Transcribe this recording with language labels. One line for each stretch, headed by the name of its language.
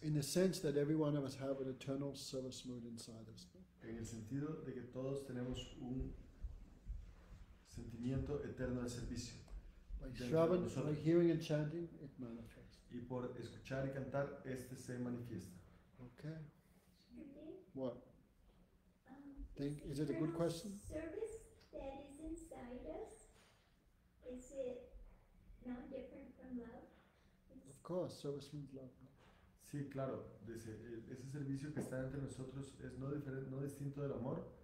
English: In the sense that every one of us have an eternal service mood inside us.
Spanish: En el sentido de que todos tenemos un sentimiento eterno de servicio.
English: By shravan, by hearing and chanting, it manifests.
Spanish: Y por escuchar y cantar, este se manifiesta.
English: Okay. What? Think, is it a good question? Service that is inside us, is it not different from love? Of course, service means love.
Spanish: Sí, claro. Dice, ese servicio que está entre nosotros es no diferente, no distinto del amor.